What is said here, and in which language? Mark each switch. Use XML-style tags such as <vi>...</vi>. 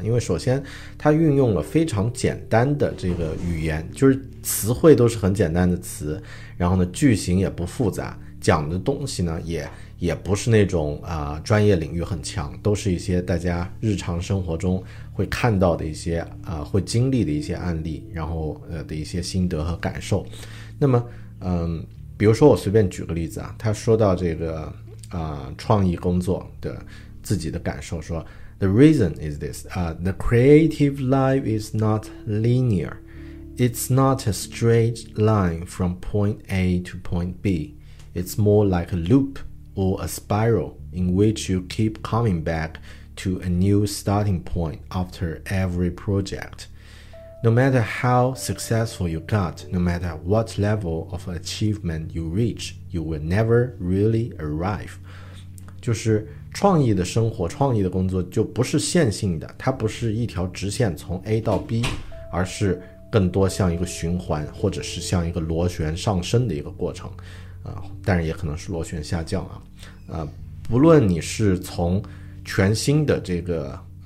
<zh>因为首先它运用了非常简单的这个语言，就是词汇都是很简单的词，然后呢句型也不复杂，讲的东西呢也不是那种专业领域很强，都是一些大家日常生活中会看到的一些会经历的一些案例，然后的一些心得和感受。那么比如说我随便举个例子啊，他说到这个创意工作的自己的感受，说</zh> <en>The reason is this The creative life is not linear. It's not a straight line from point A to point B. It's more like a loop or a spiral in which you keep coming back to a new starting point after every project. No matter how successful you got, no matter what level of achievement you reach, you will never really arrive.</en> <zh>就是创意的生活，创意的工作就不是线性的，它不是一条直线从 A 到 B， 而是更多像一个循环，或者是像一个螺旋上升的一个过程，但是也可能是螺旋下降啊，不论你是从全新的这个</zh>